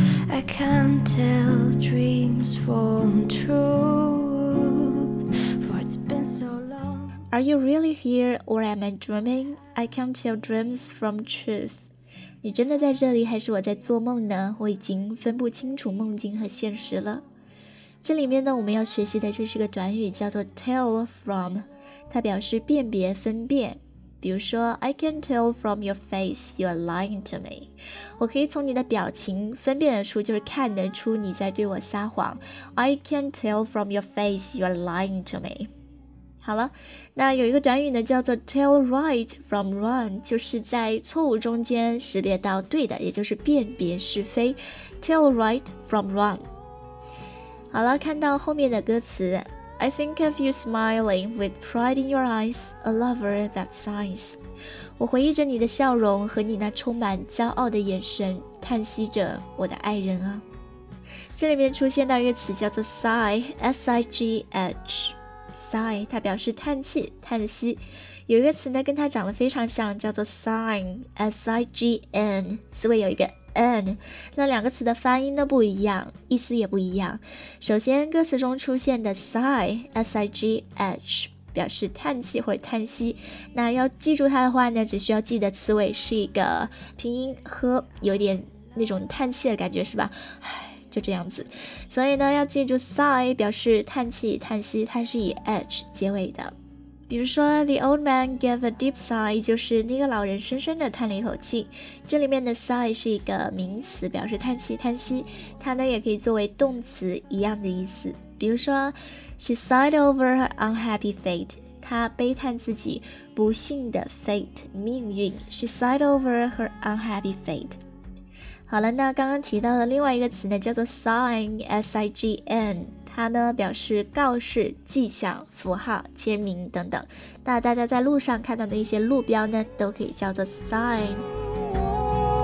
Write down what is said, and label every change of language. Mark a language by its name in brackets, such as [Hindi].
[English] I can't tell dreams from truth, for it's been so long. Are you really here? Or am I dreaming? I can't tell dreams from truth. [Chinese] 你真的在这里还是我在做梦呢？我已经分不清楚梦境和现实了。这里面呢，我们要学习的就是个短语，叫做 [English] tell from， [Chinese] 它表示辨别、分辨。比如说 ， [English] I can tell from your face you're lying to me， [Chinese] 我可以从你的表情分辨得出，就是看得出你在对我撒谎。 [English] I can tell from your face you're lying to me。 [Chinese] 好了，那有一个短语呢，叫做 [English] tell right from wrong， [Chinese] 就是在错误中间识别到对的，也就是辨别是非。 [English] Tell right from wrong。 [Chinese] 好了，看到后面的歌词 [English] I think of you smiling with pride in your eyes, a lover that sighs. [Chinese] 我回忆着你的笑容和你那充满骄傲的眼神，叹息着我的爱人啊。这里面出现到一个词叫做 sigh, S-I-G-H, sigh, 它表示叹气、叹息。有一个词呢跟它长得非常像，叫做 sign, S-I-G-N, 词尾有一个N， 那两个词的发音都不一样，意思也不一样。首先歌词中出现的 sigh S-I-G-H 表示叹气或者叹息，那要记住它的话呢，只需要记得词尾是一个拼音和，有点那种叹气的感觉是吧，就这样子。所以呢要记住 sigh 表示叹气叹息，它是以 H 结尾的。比如说 [English] The old man gave a deep sigh， [Chinese] 就是那个老人深深地叹了一口气。这里面的 sigh 是一个名词，表示叹气叹息，它呢也可以作为动词一样的意思。比如说 [English] She sighed over her unhappy fate， [Chinese] 她悲叹自己不幸的 fate 命运。 [English] She sighed over her unhappy fate。 [Chinese] 好了，那刚刚提到的另外一个词呢叫做 sign S-I-G-N，它呢表示告示、迹象、符号、签名等等，那大家在路上看到的一些路标呢都可以叫做 sign。